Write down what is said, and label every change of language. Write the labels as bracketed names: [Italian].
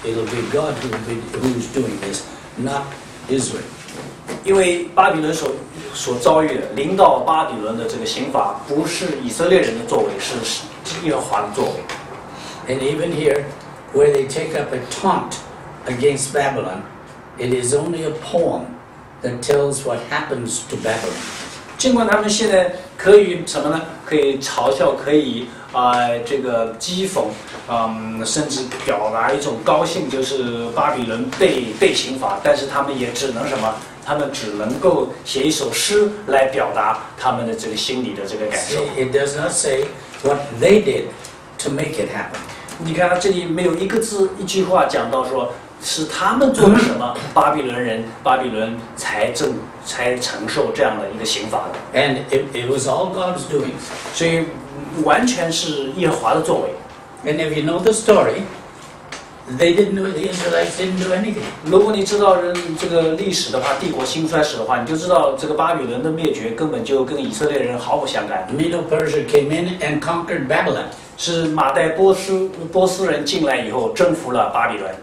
[English] It'll be God who's doing this, not Israel. [Chinese] 因为巴比伦所遭遇的临到巴比伦的这个刑罚，不是以色列人的作为，是耶和华的作为。 [English] And even here. Where they take up a taunt against Babylon, it is only a poem that tells what happens to Babylon. [Chinese] 尽管他们现在可以什么呢？可以嘲笑，可以这个讥讽，甚至表达一种高兴，就是巴比伦被刑罚。但是他们也只能什么？他们只能够写一首诗来表达他们的这个心里的这个感受。 [English] It does not say what they did to make it happen. [Chinese] 你看他这里没有一个字一句话讲到说是他们做了什么巴比伦才承受这样的一个刑罚的。 [English] And it was all God's doing. [Chinese] 所以完全是耶和华的作为。 [English] And if you know the story, they didn't know the Israelites didn't do anything. [Chinese] 如果你知道这个历史的话，帝国兴衰史的话，你就知道这个巴比伦的灭绝根本就跟以色列人毫不相干。 [English] Middle Persia came in and conquered Babylon. [Chinese] 是马代波斯人进来以后征服了巴比伦。